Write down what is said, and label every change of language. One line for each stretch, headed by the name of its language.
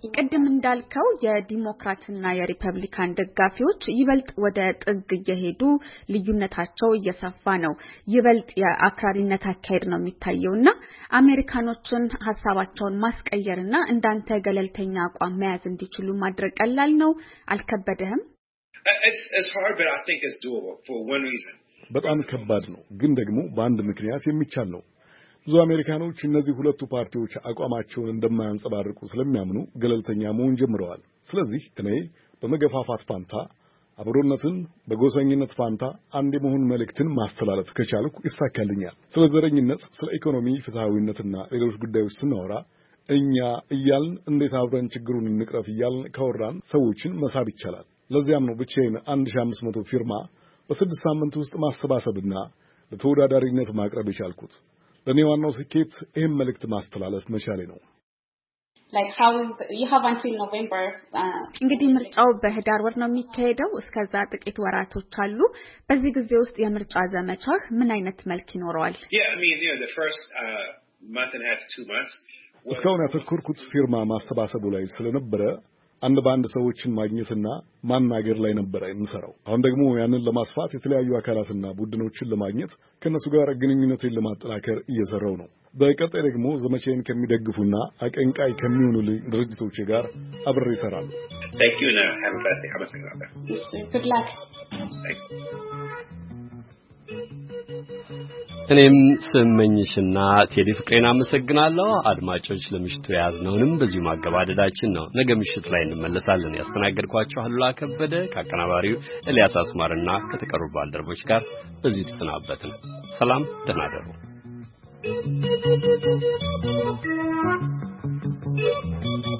Amharic: ቅድም እንዳልከው የዲሞክራትና የሪፐብሊካን ደጋፊዎች ይበልጥ ወደ ጥግ እየሄዱ ልዩነታቸው እየሰፋ ነው። ይበልጥ የአክራሪነት አካሄድ ነው የሚታየውና አሜሪካኖችን ሐሳባቸውን ማስቀየርና እንዳንተ ገለልተኛ አቋም መያዝ እንዲችሉ ማድረግ ቀላል ነው? አልከበደህም?
English: It's hard but I think it's doable for one reason.
Amharic: በጣም ከባድ ነው፣ ግን ደግሞ በአንድ ምክንያት የሚቻል ነው። ብዙ አሜሪካኖች እነዚህ ሁለቱ ፓርቲዎች አቋማቸውን እንደማያንጸባርቁ ስለሚያምኑ ገለልተኛ መሆን ጀምረዋል። ስለዚህ እኔ በመገፋፋት ፋንታ አብሮነትን፣ በጎሰኝነት ፋንታ አንድ መሆን መልእክትን ማስተላለፍ ከቻልኩ ይሳካልኛል። ስለ ዘረኝነት፣ ስለ ኢኮኖሚ ፍትሃዊነትና ሌሎች ጉዳዮች ስናወራ እኛ እያልን እንዴት አብረን ችግሩን እንቅረፍ እያልን ካወራን ሰዎችን መሳብ ይቻላል። ለዚያም ነው ብቻዬን 1500 ፊርማ በስድስት ሳምንት ውስጥ ማስተባበርና ለተወዳዳሪነት ማቅረብ ይቻልኩት። ለኔ ዋናው ስኬት ይህን መልእክት ማስተላለፍ መቻሌ ነው።
English: Like how is the, you have until November.
Amharic: እንግዲህ ምርጫው በህዳር ወር ነው የሚካሄደው እስከዛ ጥቂት ወራቶች አሉ። በዚህ ጊዜ ውስጥ የምርጫ ዘመቻህ ምን አይነት መልክ ይኖረዋል?
English: Yeah, I mean, you know, the first month and a half to 2 months.
Amharic: እስካሁን አተኩርኩት ፊርማ ማስተባበሩ ላይ ስለነበረ አንድ ባንድ ሰዎችን ማግኘትና ማናገር ላይ ነበር እንሰራው። አሁን ደግሞ ያንን ለማስፋት የተለያዩ አካላትና ቡድኖችን ለማግኘት ከነሱ ጋር ግንኙነቶችን ለማጠናከር እየሰራው ነው። በቀጣይ ደግሞ ዘመቻዬን ከሚደግፉና አቀንቃይ ከሚሆኑልኝ ድርጅቶች ጋር አብሬ እሰራለሁ።
English: Thank you and have a blessed day. Good luck.
Amharic: እኔም ስመኝሽና ቴዲ ፍቅሬን አመሰግናለሁ። አድማጮች ለምሽቱ ያዝነውንም በዚሁ ማገባደዳችን ነው። ነገ ምሽት ላይ እንመለሳለን። ያስተናገድኳችሁ አሉላ ከበደ ከአቀናባሪው ኤልያስ አስማርና ከተቀሩ ባልደረቦች ጋር በዚሁ ተሰናበትን። ሰላም ደህና እደሩ።